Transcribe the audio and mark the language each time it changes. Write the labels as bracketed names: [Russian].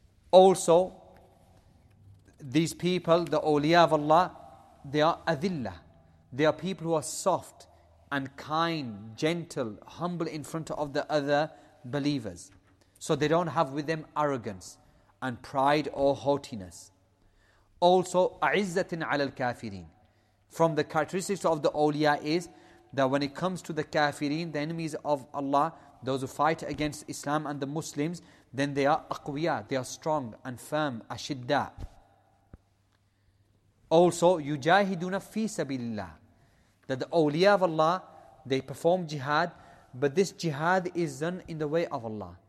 [English] Also, these people, the awliya of Allah, they are adhillah. They are people who are soft and kind, gentle, humble in front of the other believers. So they don't have with them arrogance and pride or haughtiness. Also, [Arabic] أَعِزَّةٍ عَلَى الْكَافِرِينَ. [English] From the characteristics of the awliya is that when it comes to the kafirin, the enemies of Allah, those who fight against Islam and the Muslims, then they are [Arabic] أَقْوِيَا, [English] they are strong and firm, [Arabic] أَشِدَّا. [English] Also, [Arabic] يُجَاهِدُونَ فِي سَبِيلِ اللَّهِ, [English] that the awliya of Allah, they perform jihad, but this jihad is done in the way of Allah.